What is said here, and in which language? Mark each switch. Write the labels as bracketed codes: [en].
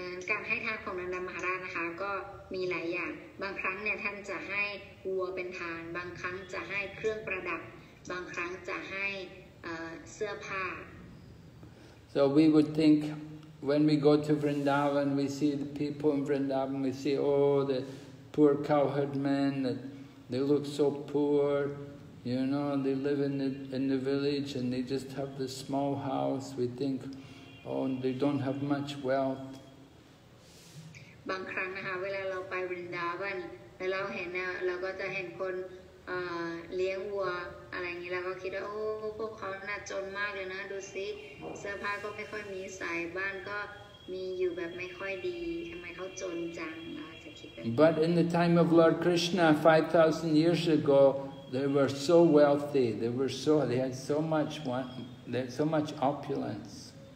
[th] การให้ทานของนันดามหาราชนะคะก็มีหลายอย่างบางครั้งเนี่ยท่านจะให้วัวเป็นทานบางครั้งจะให้เครื่องประดับบางครั้งจะให้เสื้อผ้า [en] So we would think when we go to Vrindavan, we see the people in Vrindavan, we see the poor cowherd men, that they look so poor, you know, they live in the village and they just have this small house. We think, they don't have much wealth. [th] บางครั้งนะคะเวลาเราไปวรินดาวันแล้วเราเห็นเราก็จะเห็นคนเลี้ยงวัวอะไรอย่างนี้เราก็คิดว่าพวกเขาน่าจนมากเลยนะดูสิเสื้อผ้าก็ไม่ค่อยมีใส่บ้านก็มีอยู่แบบไม่ค่อยดีทำไมเขาจนจัง [en] But in the time of Lord Krishna, 5,000 years ago, they were so wealthy. They had so much opulence.